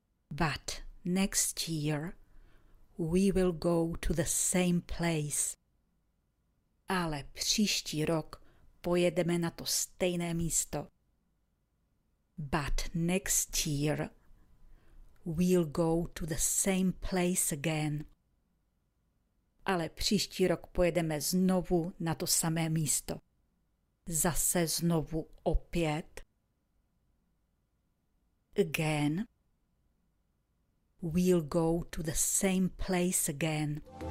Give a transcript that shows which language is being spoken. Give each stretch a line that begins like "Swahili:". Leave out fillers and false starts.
English: But next year, we will go to the same place.
Czech: Ale příští rok pojedeme na to stejné místo.
English: But next year, we'll go to the same place again.
Czech: Ale příští rok pojedeme znovu na to samé místo. Zase znovu opět.
English: Again. We'll go to the same place again.